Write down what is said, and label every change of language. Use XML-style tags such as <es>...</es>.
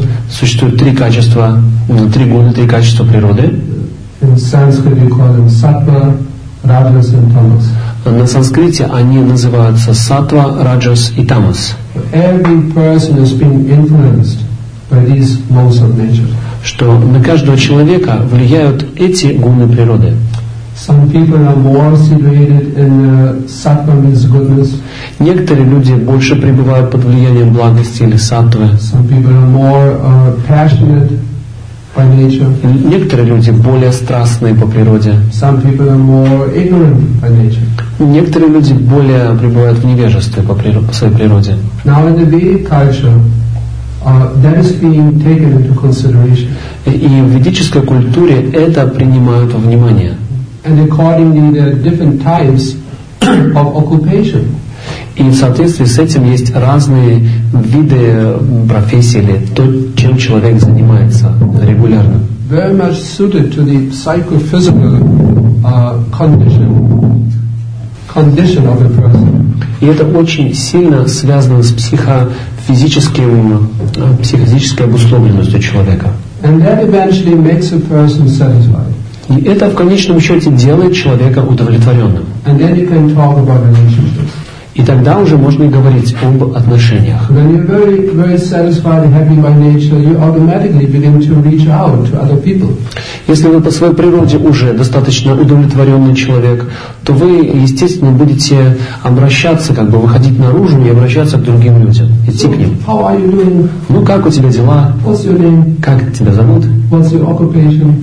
<ru>Существует три качества, три гуны, три качества природы.</ru> <en>In Sanskrit we call them sattva, Rajas and Tamas.</en> <ru>На санскрите они называются сатва, раджас и тамас.</ru> <en>Every person has been influenced by these modes of nature.</en> <ru>Что на каждого человека влияют эти гуны природы.</ru> <en>Some people are more situated in sattva, means goodness.</en> <ru>Некоторые люди больше пребывают под влиянием благости или сатвы.</ru> <en>Some people are more passionate.</en> <ru>Некоторые люди более страстные по природе.</ru> <en>Some people are more ignorant by nature.</en> <ru>Некоторые люди более пребывают в невежестве по своей природе.</ru> <en>Now in the Vedic culture, that is being taken into consideration.</en> <ru>И в ведической культуре это принимают во внимание.</ru> <en>And accordingly, there are different types of occupation.</en> <ru>И в соответствии с этим есть разные виды профессии или то, чем человек занимается регулярно.</ru> <en>Very much suited to the psychophysical condition of a person.</en> <ru>И это очень сильно связано с психофизической обусловленностью человека.</ru> <en>And that eventually makes a person satisfied.</en> <ru>И это в конечном счете делает человека удовлетворенным.</ru> <en>And then you can talk about relationships.</en> <ru>И тогда уже можно и говорить об отношениях.</ru> <en>When you're very, very satisfied and happy by nature, you automatically begin to reach out to other people.</en> <ru>Если вы по своей природе уже достаточно удовлетворенный человек, то вы, естественно, будете обращаться, как бы выходить наружу и обращаться к другим людям, идти к ним.</ru> <en>How are you doing?</en> <ru>Ну, как у тебя дела?</ru> <en>What's your name?</en> <ru>Как тебя зовут?</ru> <en>What's your occupation?</en>